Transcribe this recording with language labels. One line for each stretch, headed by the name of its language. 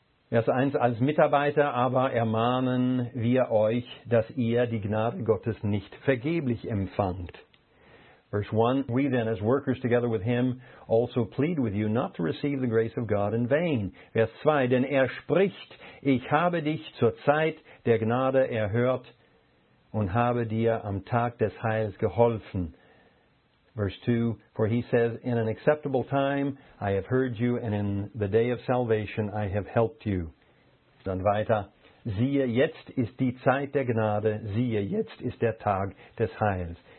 German: Vers 1, als Mitarbeiter aber ermahnen wir euch, dass ihr die Gnade Gottes nicht vergeblich empfangt.
English: Verse 1, we then as workers together with him also plead with you not to receive the grace of God in vain.
German: Vers 2, denn er spricht, ich habe dich zur Zeit der Gnade erhört und habe dir am Tag des Heils geholfen.
English: Verse 2, for he says, in an acceptable time I have heard you, and in the day of salvation I have helped you.
German: Dann weiter, siehe, jetzt ist die Zeit der Gnade, siehe, jetzt ist der Tag des Heils.